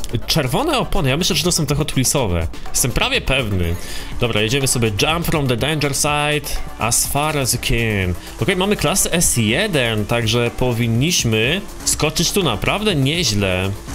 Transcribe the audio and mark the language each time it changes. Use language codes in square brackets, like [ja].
[pl] Czerwone opony. Ja myślę, że to są te Hot Wheelsowe. Jestem prawie pewny. Dobra, jedziemy sobie. [en] Jump from the danger side as far as you can. [pl] Okej, mamy klasę S1, także powinniśmy skoczyć tu naprawdę nieźle.